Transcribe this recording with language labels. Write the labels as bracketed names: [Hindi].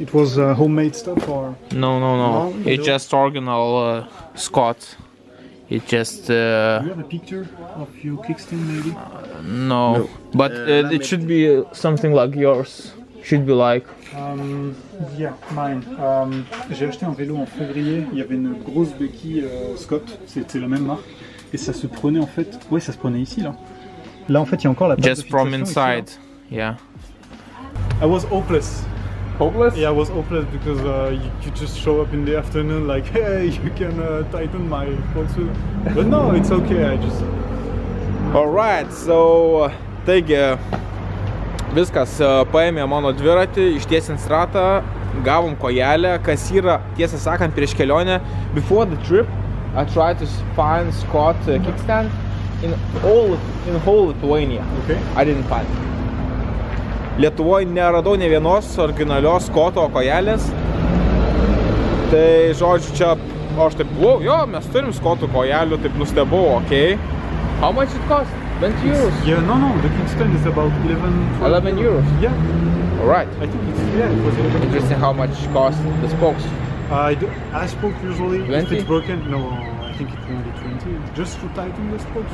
[English] It was homemade stuff or? No. It's just original Scott. It just. Do you have a picture of your kickstand, maybe? No. But it should be something like yours. Should be like. Mine. [French] J'ai acheté un vélo en février. Il y avait une grosse béquille Scott. C'était la même marque. Et ça se prenait en fait. Ouais, ça se prenait ici là. Là en fait, il y a encore la patte. [English] Just [French] de fixation [English] from inside. [French] Ici, [English] yeah. I was hopeless. Hopeless? Yeah, I was hopeless because you just show up in the afternoon like, hey, you can tighten my Volkswagen. But no, it's okay. I just. All right. So, take care. [Lithuanian] Viskas, paėmė mano dviratį, ištiesins ratą, gavom kojelę, kas yra, tiesą sakant, prieš kelionę. [English] Before the trip, I tried to find Scott kickstand in whole Lithuania. Okay. I didn't find it. [Lithuanian] Lietuvoj neradau ne vienos originalios Scott'o kojelės. Tai, žodžiu, čia, aš taip, wow, jo, mes turim Scott'o kojelių, taip nustebau, okay. [English] How much it cost? 20 euros? Yeah, no, the kickstand is about 11... 11 euros? Yeah. Alright. I think it's, yeah, it was 11 Interesting how much cost the spokes. I spoke usually, 20? If it's broken, no, I think it can be 20. Just to tighten the spokes?